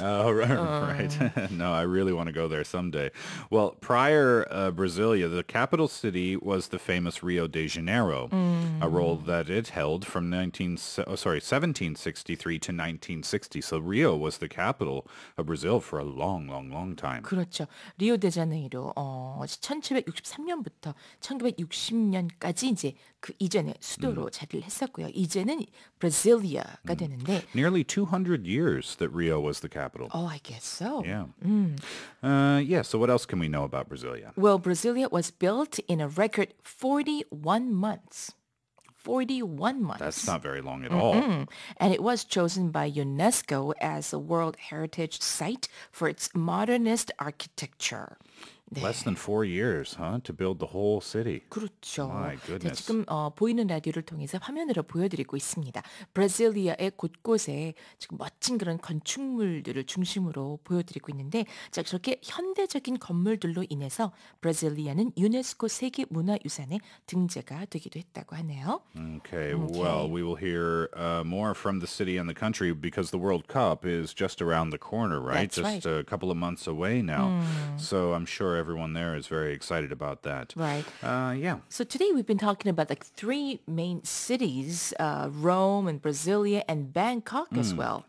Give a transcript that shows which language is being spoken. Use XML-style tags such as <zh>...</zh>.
<en>Oh, right. No, I really want to go there someday. Well, prior Brasilia, the capital city was the famous Rio de Janeiro, a role that it held from 1763 to 1960. So Rio was the capital of Brazil for a long, long, long time.</en> <ko>그렇죠. 리오데자네이로 1763년부터 1960년까지 이제 그 이전에 수도로 자리를 했었고요. 이제는 브라질리아가 되는데</ko> <en>Nearly 200 years that Rio was the capital. Oh, I guess so. Yeah. So what else can we know about Brasilia? Well, Brasilia was built in a record 41 months. 41 months. That's not very long at Mm-mm. all. And it was chosen by UNESCO as a World Heritage Site for its modernist architecture.</en> <ko>네.</ko> <en>Less than 4 years, huh, to build the whole city.</en> <ko>그렇죠.</ko> <en>My goodness.</en> <ko>지금 보이는 라디오를 통해서 화면으로 보여드리고 있습니다. 브라질리아의 곳곳에 지금 멋진 그런 건축물들을 중심으로 보여드리고 있는데 자, 저렇게 현대적인 건물들로 인해서 브라질리아는 유네스코 세계문화유산에 등재가 되기도 했다고 하네요.</ko> <en>Okay, well, we will hear more from the city and the country because the World Cup is just around the corner, right? That's just right. a couple of months away now. So I'm sure everyone there is very excited about that. Right. Yeah. So today we've been talking about like three main cities, Rome and Brasilia and Bangkok as well.</en>